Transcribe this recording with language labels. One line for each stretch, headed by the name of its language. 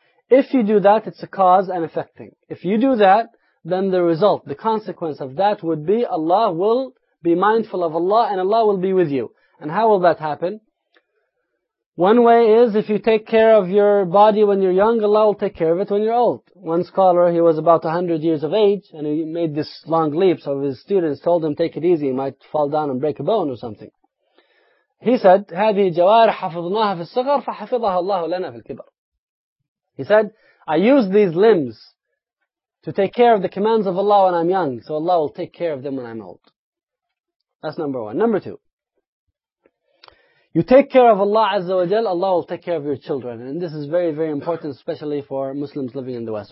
English: If you do that, it's a cause and effect thing. If you do that, then the result, the consequence of that would be Allah will be mindful of Allah and Allah will be with you. And how will that happen? One way is if you take care of your body when you're young, Allah will take care of it when you're old. One scholar, he was about 100 years of age and he made this long leap, so his students told him, take it easy, you might fall down and break a bone or something. He said,
Arabic: هذه جوارح حفظناها في الصغر فحفظها الله لنا في الكبر.
English: He said, I use these limbs to take care of the commands of Allah when I'm young, so Allah will take care of them when I'm old. That's number one. Number two. You take care of Allah Azza wa Jal, Allah will take care of your children. And this is very, very important, especially for Muslims living in the West.